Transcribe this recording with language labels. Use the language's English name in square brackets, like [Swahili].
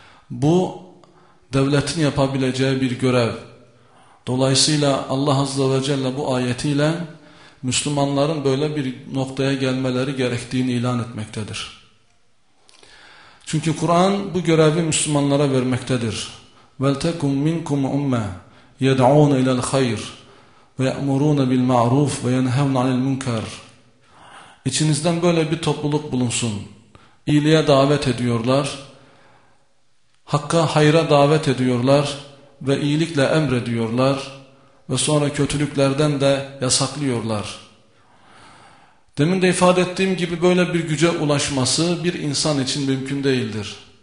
[Turkish] Bu devletin yapabileceği bir görev. Dolayısıyla Allah Azze ve Celle bu ayetiyle Müslümanların böyle bir noktaya gelmeleri gerektiğini ilan etmektedir. Çünkü Kur'an bu görevi Müslümanlara vermektedir. [Arabic] وَلْتَكُمْ مِنْكُمْ اُمَّ يَدْعُونَ اِلَى الْخَيْرِ وَيَأْمُرُونَ بِالْمَعْرُوفِ وَيَنْهَوْنَ عَنِ الْمُنْكَرِ [Turkish] İçinizden böyle bir topluluk bulunsun. İyiliğe davet ediyorlar. Hakka, hayra davet ediyorlar. Ve iyilikle emrediyorlar. Ve sonra kötülüklerden de yasaklıyorlar. Demin de ifade ettiğim gibi böyle bir güce ulaşması bir insan için mümkün değildir.